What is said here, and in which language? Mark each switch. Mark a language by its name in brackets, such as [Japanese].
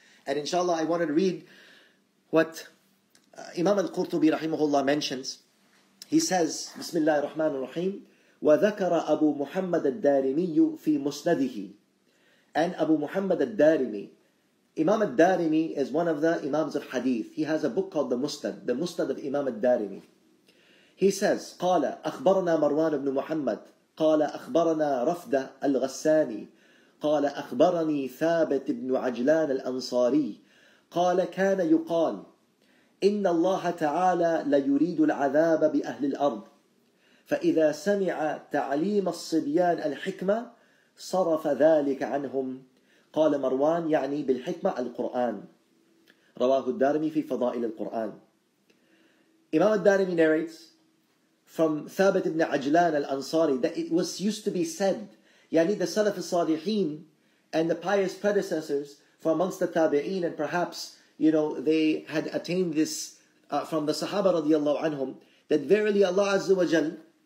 [English] And inshallah, I wanted to read what Imam al-Qurtubi rahimahullah mentions. He says, [Arabic] Bismillah ar-Rahman ar-Rahim, وَذَكَرَ أَبُو مُحَمَّدَ الدَّارِمِيُّ فِي مُسْنَدِهِ. [English] And Abu Muhammad al-Darimi, Imam al-Darimi is one of the Imams of Hadith. He has a book called the Musnad, the Musnad of Imam al-Darimi. [Arabic] He says, قَالَ أَخْبَرَنَا مَرْوَانُ بْنُ مُحَمَّدٍ قَالَ أَخْبَرَنَا رَفْدَ الْغَسَّانِي قال أخبرني ثابت بن عجلان الأنصاري قال كان يقال إن الله تعالى ليريد العذاب بأهل الأرض فإذا سمع تعليم الصبيان الحكمة صرف ذلك عنهم قال مروان يعني بالحكمة القرآن رواه الدارمي في فضائل القرآن. [English] إمام الدارمي narrates from ثابت بن عجلان الأنصاري that it was used to be said, يعني the Salaf al-Salihin and the pious predecessors from amongst the Tabi'een, and perhaps, you know, they had attained this from the Sahaba radiallahu anhum, that verily Allah Azza wa Jal,